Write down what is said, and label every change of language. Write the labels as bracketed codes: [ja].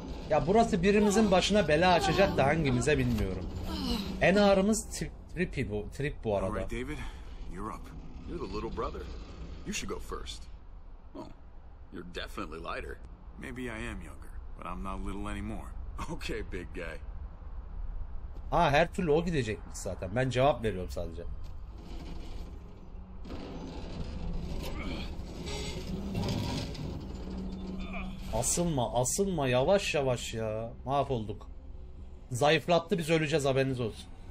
[tr] Ya burası birimizin başına bela açacak da hangimize bilmiyorum. En ağrımız trip bu arada. [en] Alright, David, you're up. You're the little brother. You should go first. Well, you're definitely lighter. Maybe I am younger, but I'm not little anymore. Okay, big guy. [tr] Ha, her türlü o gidecekmiş zaten. Ben cevap veriyorum sadece. Asılma, asılma. Yavaş yavaş ya. Mahvolduk. Zayıflattı, biz öleceğiz, haberiniz olsun.